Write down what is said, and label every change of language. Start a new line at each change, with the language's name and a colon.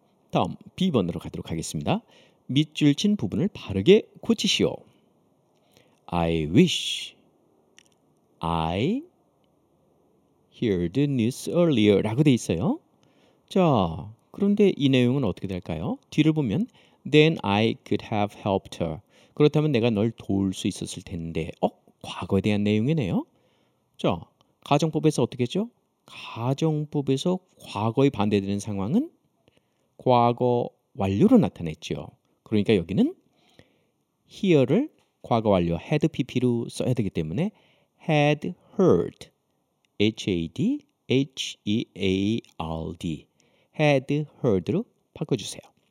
Korean: 다음 B번으로 가도록 하겠습니다. 밑줄 친 부분을 바르게 고치시오.
English: I wish I heard the news earlier
Korean: 라고 돼 있어요. 자, 그런데 이 내용은 어떻게 될까요? 뒤를 보면
English: Then I could have helped her.
Korean: 그렇다면 내가 널 도울 수 있었을 텐데 어? 과거에 대한 내용이네요. 자, 가정법에서 어떻게 했죠? 가정법에서 과거에 반대되는 상황은 과거 완료로 나타냈죠. 그러니까 여기는 here를 과거 완료 had pp로 써야 되기 때문에
English: had heard had heard had heard
Korean: 로 바꿔주세요.